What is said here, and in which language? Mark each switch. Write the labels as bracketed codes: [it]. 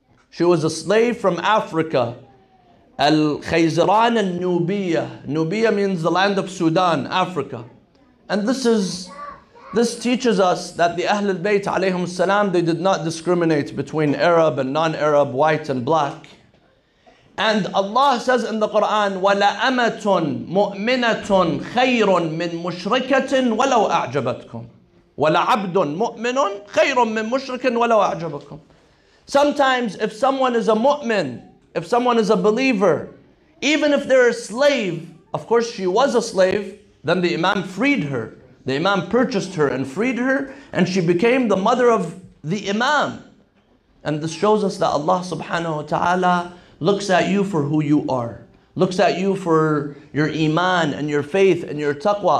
[en] She was a slave from Africa. Al-Khayziran al-Nubiya. Nubiya means the land of Sudan, Africa. And this teaches us that the Ahlul Bayt alayhim salam, they did not discriminate between Arab and non-Arab, white and black. And Allah says in the Quran, [ar] وَلَأَمَةٌ مُؤْمِنَةٌ خَيْرٌ مِّن مُشْرِكَةٍ وَلَوْ أَعْجَبَتْكُمْ وَلَعَبْدٌ مُؤْمِنٌ خَيْرٌ مِّن مُشْرِكٍ وَلَوْ أَعْجَبَكُمْ. [en] Sometimes if someone is a mu'min, if someone is a believer, even if they're a slave, of course she was a slave, then the Imam freed her. The Imam purchased her and freed her, and she became the mother of the Imam. And this shows us that Allah subhanahu wa ta'ala looks at you for who you are, looks at you for your iman and your faith and your taqwa.